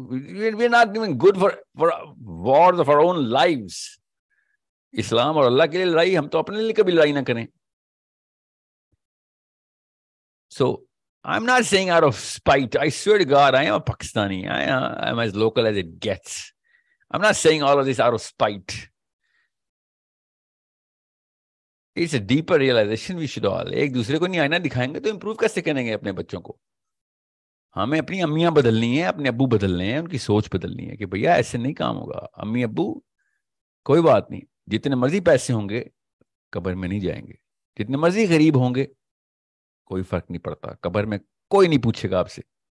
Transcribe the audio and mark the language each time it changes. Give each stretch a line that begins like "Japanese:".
English: We are not even good for wars of our own lives.
Urdu: اسلام اور اللہ کے لیے لڑائی, ہم تو اپنے لیے کبھی لڑائی نہ کریں.
English: So I am not saying out of spite, I swear to God, I am a Pakistani, I am as local as it gets. I'm not saying all of this out of spite. It's a deeper realization we should all.
Urdu: ایک دوسرے کو نہیں آئینہ دکھائیں گے تو improve کیسے کریں گے اپنے بچوں کو. ہمیں اپنی امیاں بدلنی ہیں, اپنے ابو بدلنے ہیں, ان کی سوچ بدلنی ہے کہ بھیا ایسے نہیں کام ہوگا. امی ابو کوئی بات نہیں, جتنے مرضی پیسے ہوں گے قبر میں نہیں جائیں گے, جتنے مرضی غریب ہوں گے کوئی فرق نہیں پڑتا, قبر میں کوئی نہیں پوچھے گا آپ سے.